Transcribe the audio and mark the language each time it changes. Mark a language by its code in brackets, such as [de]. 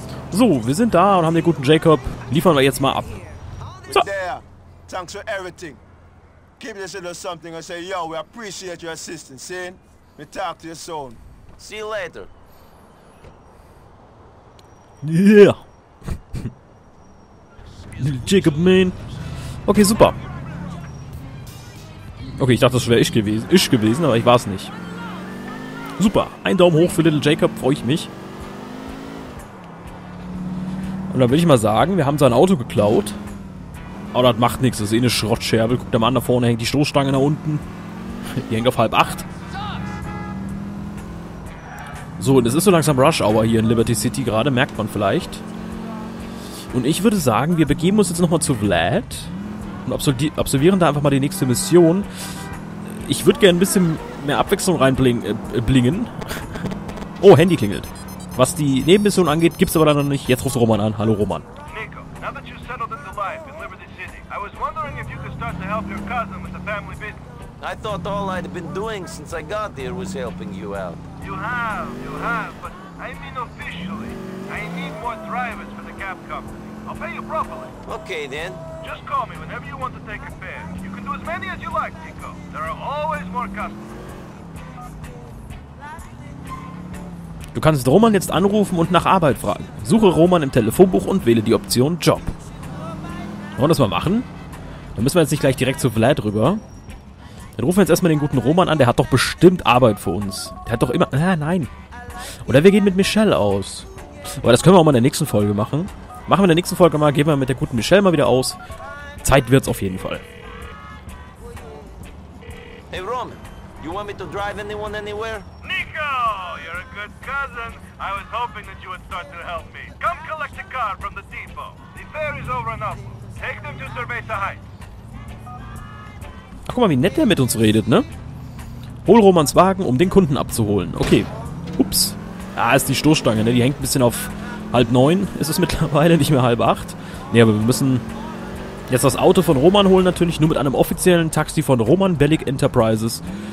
[de] So, wir sind da und haben den guten Jacob. Liefern wir jetzt mal ab. So. [en] There. Thanks for everything. Keep this little something and say, yo, we appreciate your assistance, see? We talk to you soon. See you later. Yeah. [de] Jacob, man. Okay, super. Okay, ich dachte, das wäre ich gewesen, aber ich war es nicht. Super. Ein Daumen hoch für Little Jacob, freue ich mich. Und dann würde ich mal sagen, wir haben sein Auto geklaut. Aber das macht nichts, das ist eh eine Schrottscherbe. Guck, der Mann da vorne hängt die Stoßstange nach unten. Die hängt auf 7:30. So, und es ist so langsam Rush Hour hier in Liberty City gerade, merkt man vielleicht. Und ich würde sagen, wir begeben uns jetzt nochmal zu Vlad und absolvieren da einfach mal die nächste Mission. Ich würde gerne ein bisschen mehr Abwechslung reinblingen. Oh, Handy klingelt. Was die Nebenmission angeht, gibt's aber leider noch nicht. Jetzt rufst du Roman an. Hallo Roman. [en] Nico, now that you've settled into life in Liberty City, I was wondering if you could start to help your cousin with the family business. I thought all I'd been doing since I got there was helping you out. You have, but I mean officially. I need more drivers for the cab company. I'll pay you properly. Okay, then. Just call me whenever you want to take a fare. You can do as many as you like, Nico. There are always more customers. [de] Du kannst Roman jetzt anrufen und nach Arbeit fragen. Suche Roman im Telefonbuch und wähle die Option Job. Wollen wir das mal machen? Dann müssen wir jetzt nicht gleich direkt zu Vlad rüber. Dann rufen wir jetzt erstmal den guten Roman an. Der hat doch bestimmt Arbeit für uns. Der hat doch immer... nein. Oder wir gehen mit Michelle aus. Aber das können wir auch mal in der nächsten Folge machen. Machen wir in der nächsten Folge mal. Gehen wir mit der guten Michelle mal wieder aus. Zeit wird's auf jeden Fall. [en] Hey Roman, you want me to drive anyone anywhere? Nico, you're a good cousin. I was hoping that you would start to help me. Come collect a car from the depot. The fair is over and up. Take them to Cerveza Heights. [de] Ach, guck mal, wie nett der mit uns redet, ne? Hol Romans Wagen, um den Kunden abzuholen. Okay. Ups. Ah, ist die Stoßstange, ne? Die hängt ein bisschen auf 8:30 ist es mittlerweile, nicht mehr 7:30. Nee, aber wir müssen jetzt das Auto von Roman holen, natürlich nur mit einem offiziellen Taxi von Roman Bellic Enterprises.